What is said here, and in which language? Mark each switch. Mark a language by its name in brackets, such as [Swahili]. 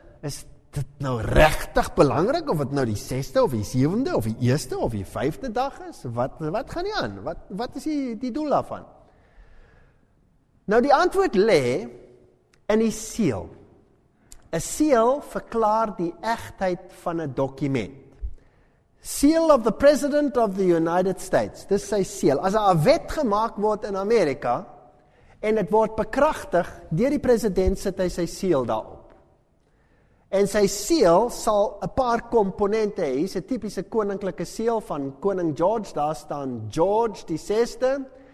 [Afrikaans] Is dit nou regtig belangrik of dit nou die 6de of die 7de of die 1ste of die 5de dag is? Wat gaan nie aan? Wat is die doel daarvan? Nou die antwoord lê in die seël. 'n Seël verklaar die egtheid van 'n dokument. [English] Seal of the President of the United States. [Afrikaans] Dis sy seël. As 'n wet gemaak word in Amerika en dit word bekragtig deur die president, sit hy sy seël daarop. En sy seël sal 'n paar komponente hê. Hier's 'n tipiese koninklike seël van Koning George. Daar staan George die 6de.